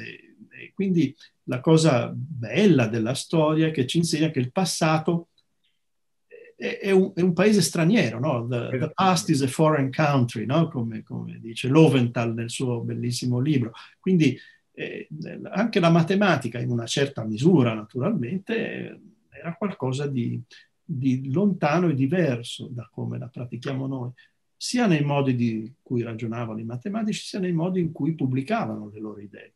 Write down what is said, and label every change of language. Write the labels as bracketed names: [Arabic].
[Italian] E quindi la cosa bella della storia è che ci insegna che il passato è un paese straniero, no? [English] The past is a foreign country, no? [Italian] come dice Löwenthal nel suo bellissimo libro. Quindi anche la matematica, in una certa misura naturalmente, era qualcosa di lontano e diverso da come la pratichiamo noi, sia nei modi di cui ragionavano i matematici, sia nei modi in cui pubblicavano le loro idee.